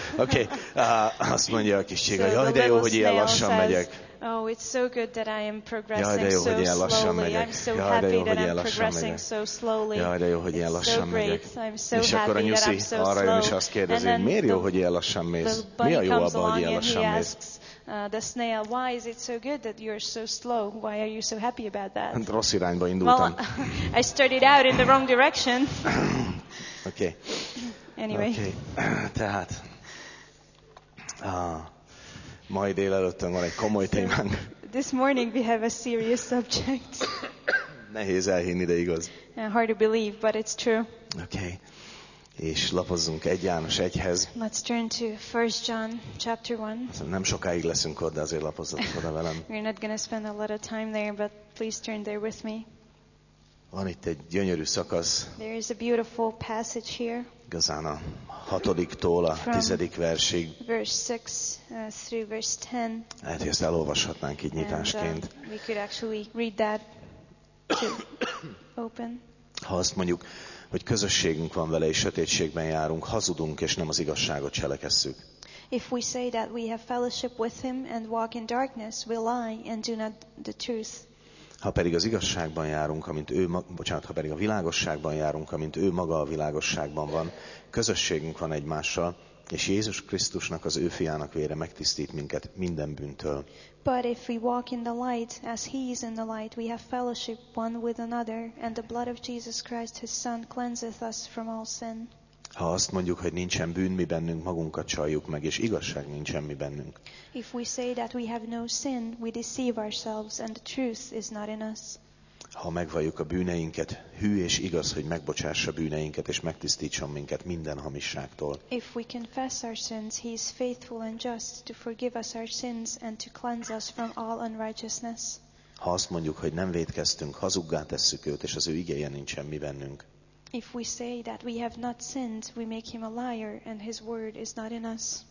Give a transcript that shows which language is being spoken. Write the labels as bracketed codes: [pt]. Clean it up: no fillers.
[hu] Okay, azt mondja a kis csiga, jaj, de jó, hogy ilyen lassan megyek. [en] Oh, it's so good that I am progressing so slowly. [hu] Jaj, de jó, hogy lassan megyek. Jaj, de jó, hogy ilyen lassan megyek. És akkor a nyuszi arra jön, és azt kérdezi, miért jó, hogy ilyen lassan mész? Mi a jó abban, hogy ilyen lassan mész? [en] The snail, why is it so good that you're so slow? Why are you so happy about that? [hu] Rossz irányba indultam. [en] I started out in the wrong direction. Okay. Anyway. [hu] Okay. Tehát. Mai délelőttön van egy komoly témánk. [en] This morning we have a serious subject. [hu] Nehéz elhinni, de igaz. [en] Hard to believe, but it's true. [hu] Okay. És lapozzunk 1 János 1-hez. [en] Let's turn to 1 John chapter 1. [hu] Nem sokáig leszünk ott, de azért lapozzatok oda velem. [en] We're not going to spend a lot of time there, but please turn there with me. [hu] Van itt egy gyönyörű szakasz. [en] There is a beautiful passage here. [hu] Igazán a 6-tól a 10. versig. [en] Verse 6 through verse 10. [hu] Lehet, hogy ezt elolvashatnánk így nyitásként. [en] We could actually read that to open. [hu] Ha azt mondjuk, hogy közösségünk van vele, és sötétségben járunk, hazudunk, és nem az igazságot cselekesszük. [en] If we say that we have fellowship with him and walk in darkness, we lie and do not the truth. [hu] Ha pedig az igazságban járunk, amint ő, ha pedig a világosságban járunk, amint ő maga a világosságban van, közösségünk van egymással, és Jézus Krisztusnak az ő fiának vére megtisztít minket minden bűntől. [en] But if we walk in the light, as he is in the light, we have fellowship one with another, and the blood of Jesus Christ, his son, cleanseth us from all sin. [hu] Ha azt mondjuk, hogy nincsen bűn mi bennünk, magunkat csaljuk meg, és igazság nincsen mi bennünk. [en] If we say that we have no sin, we deceive ourselves, and the truth is not in us. [hu] Ha megvalljuk a bűneinket, hű és igaz, hogy megbocsássa bűneinket, és megtisztítson minket minden hamisságtól. [en] If we confess our sins, he is faithful and just to forgive us our sins and to cleanse us from all unrighteousness. [hu] Ha azt mondjuk, hogy nem vétkeztünk, hazuggá tesszük őt, és az ő igéje nincsen mi bennünk. [en] If we say that we have not sinned, we make him a liar, and his word is not in us.